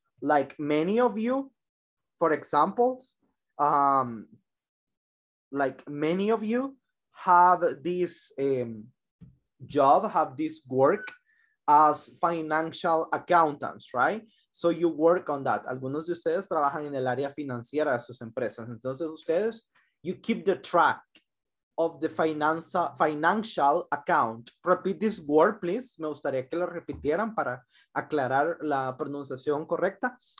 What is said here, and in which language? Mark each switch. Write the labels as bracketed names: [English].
[English] Like many of you, for example, like many of you have this job, have this work as financial accountants, right? So you work on that. [Spanish] Algunos de ustedes trabajan en el área financiera de sus empresas. Entonces ustedes, [English] you keep the track of the financial account. Repeat this word, please. [Spanish] Me gustaría que lo repitieran para aclarar la pronunciación correcta.